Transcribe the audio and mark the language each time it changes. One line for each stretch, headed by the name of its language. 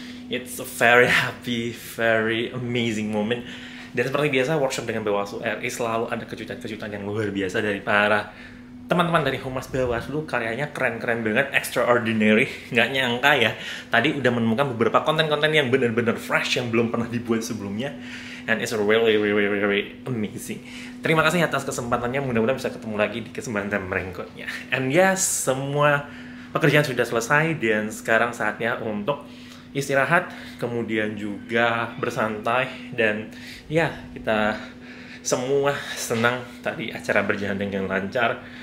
English: It's a very happy, very amazing moment.
Indonesian: Dan seperti biasa, workshop dengan Bawaslu RI selalu ada kejutan-kejutan yang luar biasa dari para teman-teman dari Humas Bawaslu. Karyanya keren-keren banget, extraordinary. Nggak nyangka ya, tadi udah menemukan beberapa konten-konten yang benar-benar fresh yang belum pernah dibuat sebelumnya.
English: And it's really, really, really amazing.
Indonesian: Terima kasih atas kesempatannya. Mudah-mudahan bisa ketemu lagi di kesempatan berikutnya.
English: And yes,
Indonesian: semua pekerjaan sudah selesai. Dan sekarang saatnya untuk istirahat. Kemudian juga bersantai. Dan ya, kita semua senang tadi acara berjalan dengan lancar.